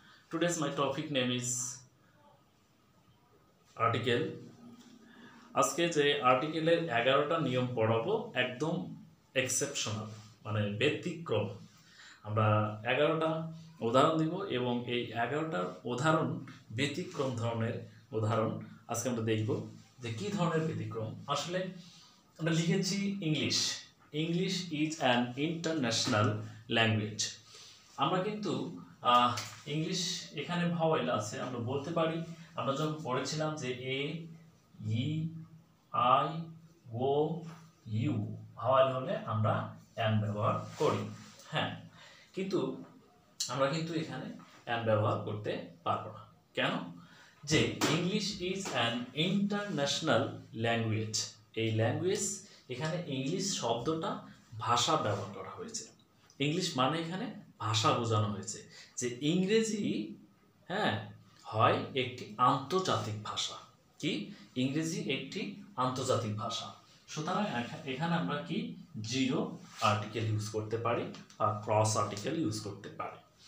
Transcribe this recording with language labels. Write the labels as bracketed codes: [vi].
[en] Today's my topic name is article. [bn] আজকে যে আর্টিকেলের 11টা নিয়ম পড়াবো একদম এক্সেপশনাল মানে ব্যতিক্রম। আমরা 11টা উদাহরণ দিব এবং এই 11টার উদাহরণ ব্যতিক্রম ধরনের উদাহরণ আজকে আমরা দেখব যে কি ধরনের ব্যতিক্রম। আসলে আমরা লিখেছি English, [en] English is an international language. [bn] আমরা কিন্তু English এখানে ভাওয়েল আছে, আমরা বলতে পারি, আমরা যখন পড়েছিলাম যে A, E, I, O, U vowel হলে আমরা N ব্যবহার করি, হ্যাঁ, কিন্তু আমরা কিন্তু এখানে N ব্যবহার করতে পারবো না। কেন? [en] যে English is an international language. [bn] এই language এখানে ইংলিশ শব্দটা ভাষা ব্যবহার করা হয়েছে, ইংলিশ মানে এখানে ভাষা বোঝানো হয়েছে, যে ইংরেজি হ্যাঁ হয় একটি আন্তর্জাতিক ভাষা। কি? ইংরেজি একটি আন্তর্জাতিক ভাষা। সুতরাং এখানে আমরা কি জিরো আর্টিকেল ইউজ করতে পারি আর ক্রস আর্টিকেল ইউজ করতে পারি।